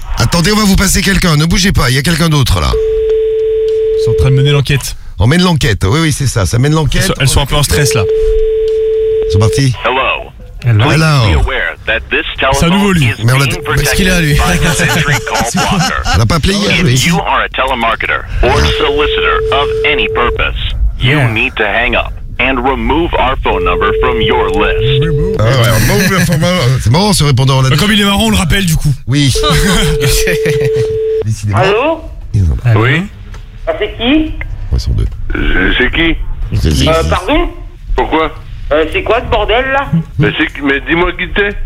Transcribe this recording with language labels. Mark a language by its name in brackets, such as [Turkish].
[French] Attendez, on va vous passer quelqu'un, ne bougez pas, il y a quelqu'un d'autre là. Ils sont en train de mener l'enquête. On mène l'enquête, oui, oui, c'est ça, ça mène l'enquête. Elles sont un peu en stress là. Ils sont partis. [English] Hello. Hello. Hello. [French] C'est un nouveau lui. Mais on l'a qu'est-ce qu'il a lui? On l'a pas appelé hier, lui. [English] If you are a telemarketer or solicitor of any purpose, you need to hang up and remove our phone number from your list. [French] Ouais, c'est marrant ce répondeur. Là, comme il est marrant, on le rappelle du coup. Oui. Allô? Oui. Ah, c'est qui? Ouais, ils sont deux. C'est qui? Pardon? Pourquoi? C'est quoi ce bordel là? Mais dis-moi qui t'es.